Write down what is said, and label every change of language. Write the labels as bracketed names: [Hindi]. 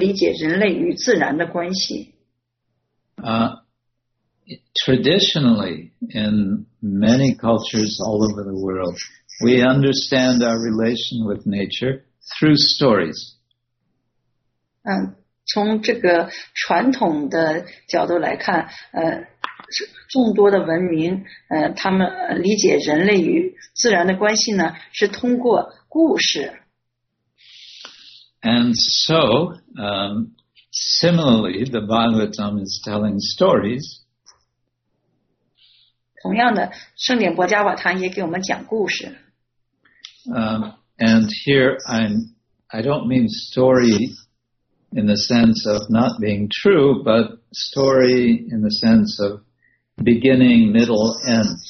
[Chinese] 然后谈论了如何理解人类与自然的关系。 [English] Traditionally, in many cultures all over the world, we understand our relation with nature through stories. [Chinese] 从这个传统的角度来看，众多的文明，他们理解人类与自然的关系呢，是通过故事。 [English] And so, similarly, the Bhagavatam is telling stories. [Chinese] 同样的，圣典博迦瓦谭也给我们讲故事。 [English] And here I don't mean story in the sense of not being true, but story in the sense of beginning, middle, end.